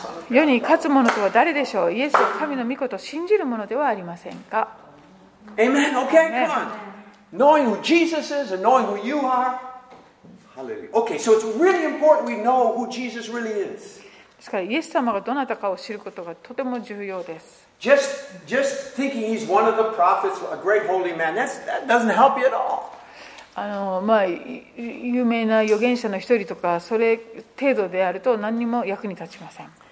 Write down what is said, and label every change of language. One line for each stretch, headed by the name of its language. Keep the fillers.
Japanese: 世に勝つ者とは誰でしょうイエスは神の御子と信じる者ではありませんか Amen.
English: Okay, Amen. come on. Knowing who Jesus is and knowing who you are. Hallelujah. Okay, so it's really important we know who Jesus really is.
Japanese: ですから、イエス様がどなたかを知ることがとても重要です。
English: Just, just thinking he's one of the prophets, a great holy man, that's, that doesn't help you at all.
Japanese: あのまあ、有名な預言者の一人とか、それ程度であると、何にも役に立ちません。